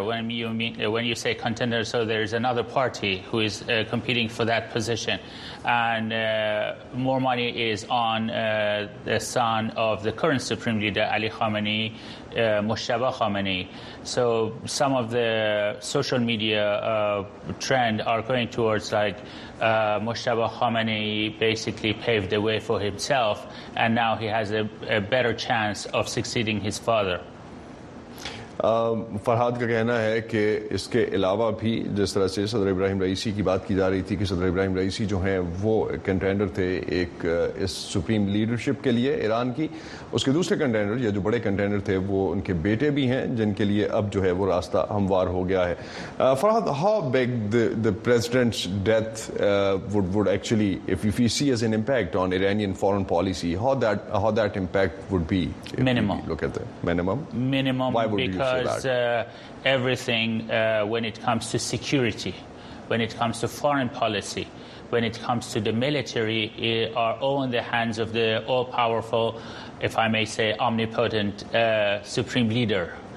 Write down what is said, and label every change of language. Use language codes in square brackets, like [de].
[en] When you say contender, so there is another party who is competing for that position, and more money is on the son of the current supreme leader Ali Khamenei, Mujtaba Khamenei. So some of the social media trend are going towards like Mujtaba Khamenei basically paved the way for himself, and now he has a better chance of succeeding his father. [ur] Farhad کا کہنا ہے کہ اس کے علاوہ بھی جس طرح سے صدر ابراہیم رئیسی کی بات کی جا رہی تھی کہ صدر ابراہیم رئیسی جو ہیں وہ کنٹینڈر تھے ایک اس سپریم لیڈرشپ کے لیے ایران کی, اس کے دوسرے کنٹینڈر یا جو بڑے کنٹینڈر تھے وہ ان کے بیٹے بھی ہیں جن کے لیے اب جو ہے وہ راستہ ہموار ہو گیا ہے. [en] Farhad, how big the president's death would actually if you see as an impact on Iranian foreign policy, how that impact would be minimum because everything when it comes to security, when it comes to foreign policy, when it comes to the military are all in the hands of the all powerful, if I may say omnipotent, supreme leader.